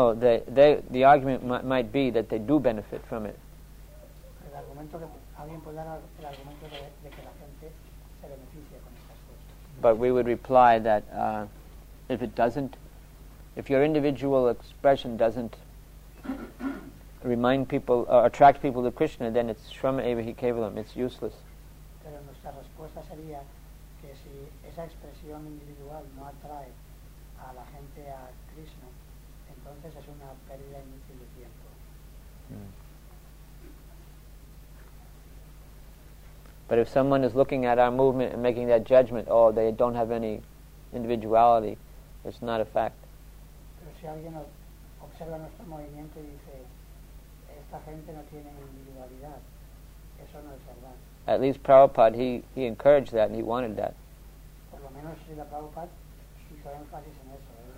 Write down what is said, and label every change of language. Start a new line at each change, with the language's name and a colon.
English: No, the argument might be that they do benefit from it.
Spanish: El argumento que alguien puede dar el argumento de que la gente se beneficia con estas cosas.
English: But we would reply that if it doesn't, if your individual expression doesn't remind people or attract people to Krishna, then it's
Sanskrit: shrama evahi kevalam,
English: it's useless.
Spanish: Pero nuestra respuesta sería que si esa expresión individual no atrae a la gente a Krishna, entonces es una pérdida inútil de tiempo.
English: But if someone is looking at our movement and making that judgment, oh, they don't have any individuality, it's not a fact.
Spanish: Pero si alguien observa nuestro movimiento y dice, esta gente no tiene individualidad, eso no es verdad.
English: At least Prabhupada, he encouraged that and he wanted that.
Spanish: Por lo menos si la Prabhupada hizo énfasis en eso.